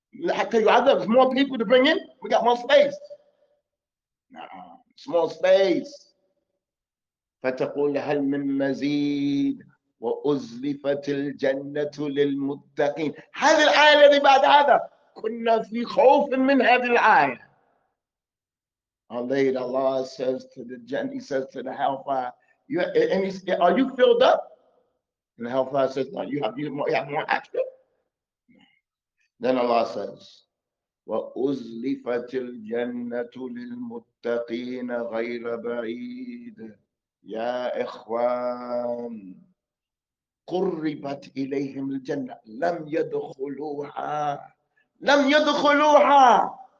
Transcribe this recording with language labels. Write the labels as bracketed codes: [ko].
[ar] حتى يعذب. [en] More people to bring in? We got more space. [ar] نعم. [en] Small space. [ar] فتقول: هل من مزيد؟ وأزلفت الجنة للمتقين. هذه الآية اللي بعد هذا كنا في خوف من هذه الآية. [en] Later Allah says to the jinn, he says to the hellfire, are you filled up? And the hellfire says, no, you have more action. Then Allah says, [ar] وأزلفت الجنة للمتقين غير بعيد. يا إخوان، قربت إليهم الجنة، لم يدخلوها، لم يدخلوها.